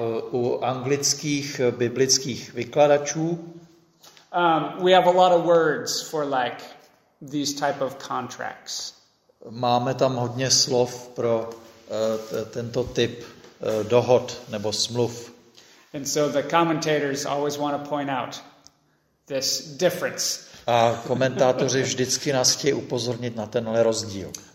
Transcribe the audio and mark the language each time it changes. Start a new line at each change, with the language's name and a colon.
Czech: u anglických biblických vykladačů
English: we have a lot of words for like these type of contracts.
Czech: Máme tam hodně slov pro tento typ dohod nebo smluv.
English: And so the commentators always want to point out this difference.
Czech: A komentátoři vždycky nás chtějí upozornit na tenhle rozdíl.